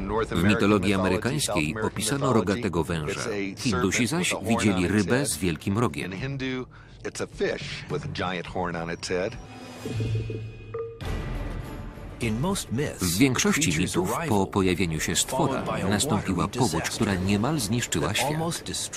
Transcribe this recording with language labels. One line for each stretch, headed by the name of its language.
Polish: W mitologii amerykańskiej opisano rogatego węża. Hindusi zaś widzieli rybę z wielkim rogiem.
English: It's a fish with a giant horn on its head.
Polish: W większości mitów po pojawieniu się stwora nastąpiła powódź, która niemal zniszczyła świat.